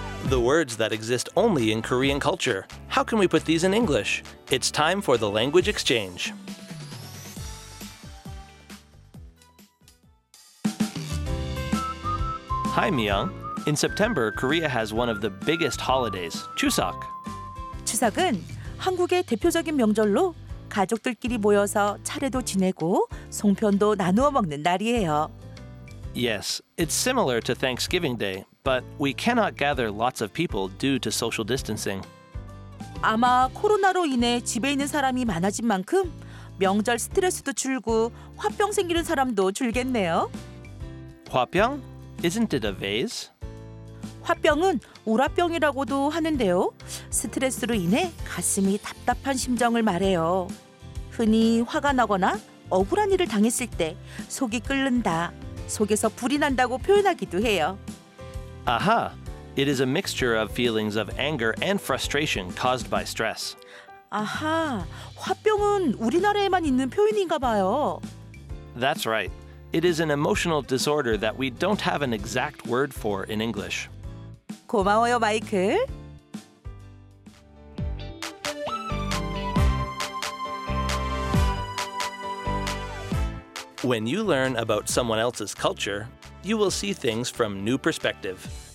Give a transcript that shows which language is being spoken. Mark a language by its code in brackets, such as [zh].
[en] The words that exist only in Korean culture. How can we put these in English? It's time for the language exchange. Hi, Myung. In September, Korea has one of the biggest holidays, Chuseok. [ko] Chuseok은 한국의 대표적인 명절로 가족들끼리 모여서 차례도 지내고 송편도 나누어 먹는 날이에요. [en] Yes, it's similar to Thanksgiving Day, but we cannot gather lots of people due to social distancing. [ko] 아마 코로나로 인해 집에 있는 사람이 많아진 만큼 명절 스트레스도 줄고 화병 생기는 사람도 줄겠네요. [en] 화병? Isn't it a vase? [ko] 화병은 우라병이라고도 하는데요. 스트레스로 인해 가슴이 답답한 심정을 말해요. 흔히 화가 나거나 억울한 일을 당했을 때 속이 끓는다, 속에서 불이 난다고 표현하기도 해요. [en] 아하! It is a mixture of feelings of anger and frustration caused by stress. [ko] 아하, 화병은 우리나라에만 있는 표현인가 봐요. [en] That's right. It is an emotional disorder that we don't have an exact word for in English. [ko] 고마워요, 마이클. [en] When you learn about someone else's culture, you will see things from new perspective.